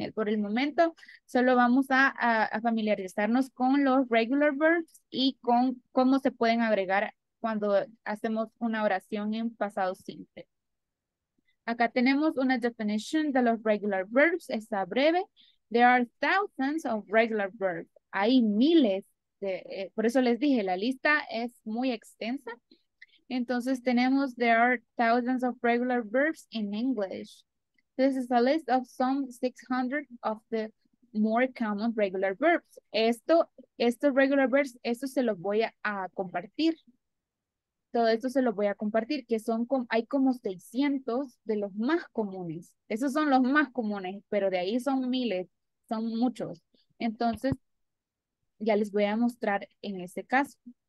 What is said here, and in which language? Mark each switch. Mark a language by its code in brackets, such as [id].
[es] Por el momento, solo vamos a familiarizarnos con los regular verbs y con cómo se pueden agregar cuando hacemos una oración en pasado simple. Acá tenemos una definición de los regular verbs. Está breve. [en] There are thousands of regular verbs. [es] Hay miles. Por eso les dije, la lista es muy extensa. Entonces tenemos, [en] there are thousands of regular verbs in English. This is a list of some 600 of the more common regular verbs. [es] Estos regular verbs, se los voy a compartir. Todo esto se los voy a compartir, que hay como 600 de los más comunes. Esos son los más comunes, pero de ahí son miles, son muchos. Entonces, ya les voy a mostrar en este caso.